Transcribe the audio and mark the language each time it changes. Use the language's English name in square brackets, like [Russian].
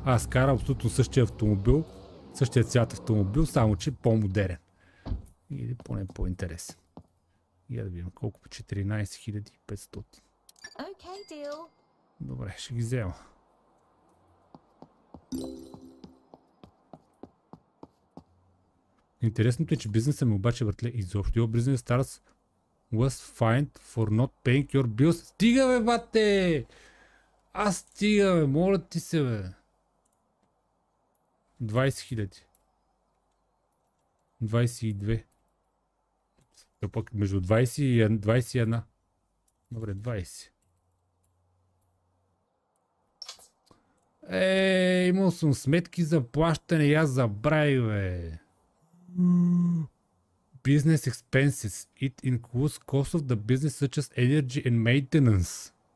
[Bulgarian] Аз карам абсолютно същия автомобил, същия цвят автомобил, само че по-модерен. Или поне по-интересен. Я да видим колко по 14500. Окей, дил. Добре, ще ги взема. Интересното е, че бизнесът ми обаче, братле, изобщо. [English] Your business starts was fine for not paying your bills. [Bulgarian] Стига, бе, бате! Аз стига, бе, моля ти се, бе. 20 хиляди. 22. Пък между 20 и 21. Добре, 20. Ей, имал съм сметки за плащане, аз забрай, бе. [English] Business expenses. It includes cost of the business such as energy and maintenance.